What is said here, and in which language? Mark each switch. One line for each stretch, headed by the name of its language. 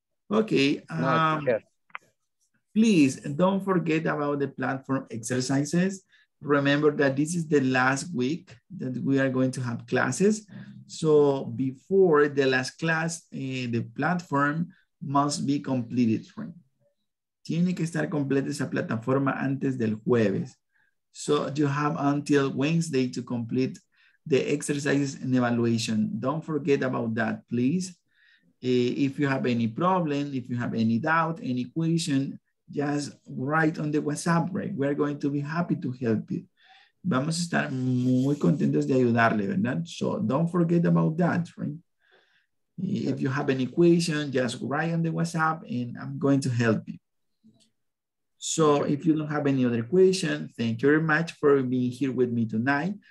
English: Okay. Please don't forget about the platform exercises. Remember that this is the last week that we are going to have classes. So before the last class, the platform must be completed.
Spanish: Tiene que estar completa esa plataforma antes del jueves.
English: So you have until Wednesday to complete the exercises and evaluation. Don't forget about that, please. If you have any problem, if you have any doubt, any question, just write on the WhatsApp, right? We're going to be happy to help you.
Spanish: Vamos a estar muy contentos de ayudarle, ¿verdad?
English: So don't forget about that, right? If you have any question, just write on the WhatsApp and I'm going to help you. So if you don't have any other question, thank you very much for being here with me tonight.